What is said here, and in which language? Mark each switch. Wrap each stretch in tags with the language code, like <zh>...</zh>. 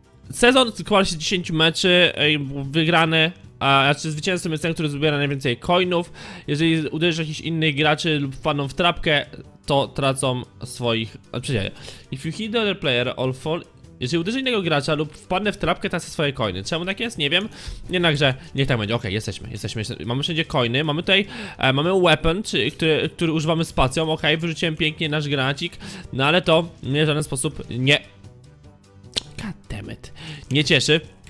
<pl>Sezon składa się 10 meczy wygrany. Znaczy zwycięzcą jest ten, który zbiera najwięcej coinów. Jeżeli uderzysz jakichś innych graczy lub fanów w trapkę, to tracą swoich.</pl> <en>If you hit the other player, all fall.</en> <pl>Jeżeli uderzę innego gracza lub wpadnę w trapkę, tracę swoje coiny. Czemu tak jest? Nie wiem. Jednakże niech tak będzie. Okej, jesteśmy. Mamy wszędzie coiny. Mamy tutaj mamy weapon, który używamy spacją. Okej, wyrzuciłem pięknie nasz granacik. No ale to mnie w żaden sposób nie,</pl> <en>god damn it,</en> <pl>nie cieszy.</pl>